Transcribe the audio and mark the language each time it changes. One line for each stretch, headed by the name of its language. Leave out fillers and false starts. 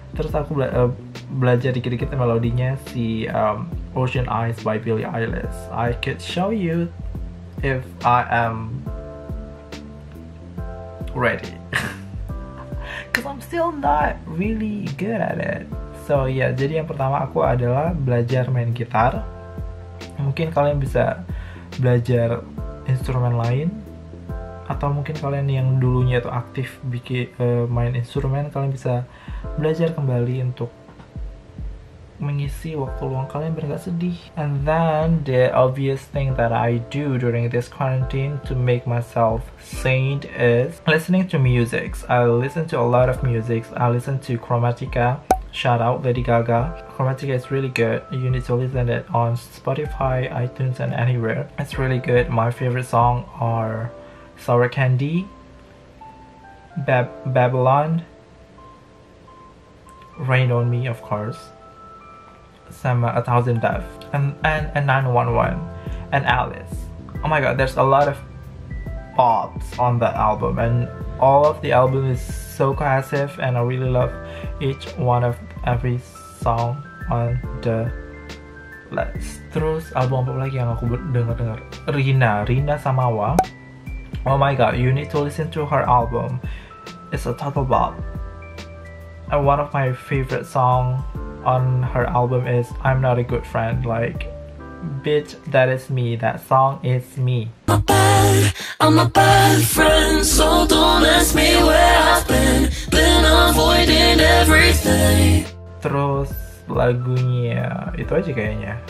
Indonesian: Terus aku belajar dikit-dikit melodinya si Ocean Eyes by Billie Eilish.
English: I could show you if I am ready. Cause I'm still not really good at it. So yeah,
Indonesian: jadi yang pertama aku adalah belajar main gitar. Mungkin kalian bisa belajar instrumen lain, atau mungkin kalian yang dulunya itu aktif bikin main instrumen, kalian bisa belajar kembali untuk mengisi waktu luang kalian biar gak sedih.
English: And then the obvious thing that I do during this quarantine to make myself sane is listening to music. I listen to a lot of music. I listen to Chromatica, shout out Lady Gaga. Chromatica is really good. You need to listen it on Spotify, iTunes, and anywhere. It's really good. My favorite song are Sour Candy, Babylon, Rain on Me, of course, sama A Thousand Deaths, and 911, and Alice. Oh my god, there's a lot of pops on that album, and all of the album is so cohesive, and I really love each one of every song on the list.
Indonesian: Terus album apa lagi yang aku denger? Rina Samawa.
English: Oh my god, you need to listen to her album. It's a total bop. And one of my favorite song on her album is I'm Not a Good Friend. Like, bitch, that is me. That song is me. I'm a bad friend, so don't ask me where I've been avoiding everything.
Indonesian: Terus lagunya itu aja kayaknya.